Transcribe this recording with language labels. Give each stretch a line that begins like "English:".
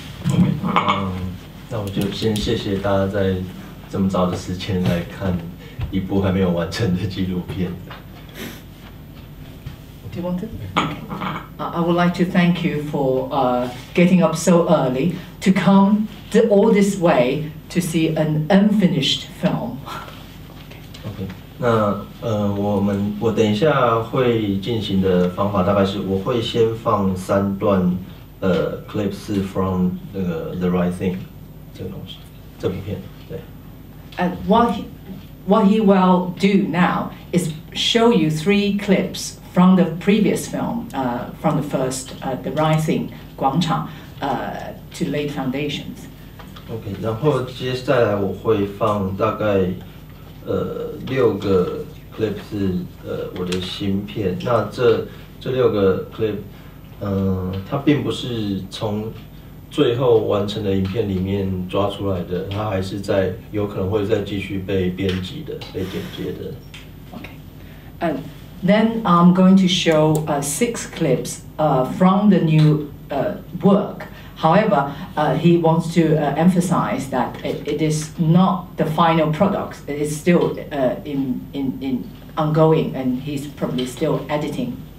Chinese: Okay. 那我就先谢谢大家在这么早的时间来看一部还没有完成的纪录片。
English: Do you want to? I would like to thank you for getting up so early to come all this way to see an unfinished film.
Chinese: Okay. 那我等一下会进行的方法大概是我会先放三段
English: clips from The Right Thing
Chinese: 这部片，对。
English: And what he will do now is show you three clips from the previous film, from the first The Right Thing, Guangchang, to lay foundations.
Chinese: Okay, 然后接下来我会放大概六个 clip 是我的新片，那这六个 clip 它并不是从最后完成的影片里面抓出来的，它还是在有可能会再继续被编辑的，被剪接的。
English: Okay, and then I'm going to show six clips from the new work. However, he wants to emphasize that it is not the final product. It is still in ongoing, and he's probably still editing.